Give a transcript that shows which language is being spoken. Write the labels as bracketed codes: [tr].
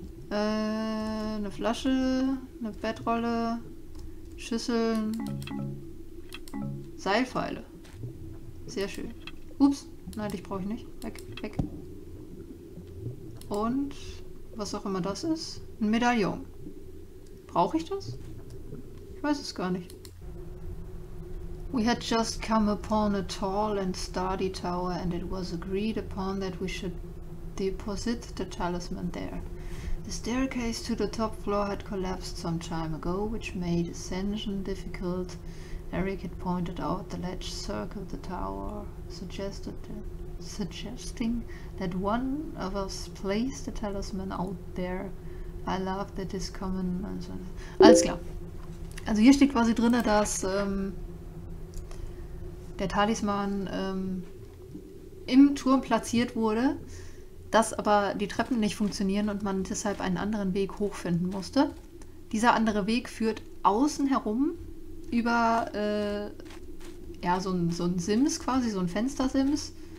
[de] Eine Flasche. Eine Bettrolle. Schüsseln. Seilpfeile. Sehr schön. Ups. Nein, dich brauche ich nicht. Weg, weg. Und was auch immer das ist, ein Medaillon. Brauche ich das? Ich weiß es gar nicht. [en] We had just come upon a tall and sturdy tower and it was agreed upon that we should deposit the talisman there. The staircase to the top floor had collapsed some time ago, which made ascension difficult Eric had pointed out the ledge circled the tower, suggesting that one of us placed the talisman out there. I love that this common. [de] Also, alles klar. Also hier steht quasi drin, dass der Talisman im Turm platziert wurde, dass aber die Treppen nicht funktionieren und man deshalb einen anderen Weg hochfinden musste. Dieser andere Weg führt außen herum über ja, so ein Sims quasi, so ein Fenstersims.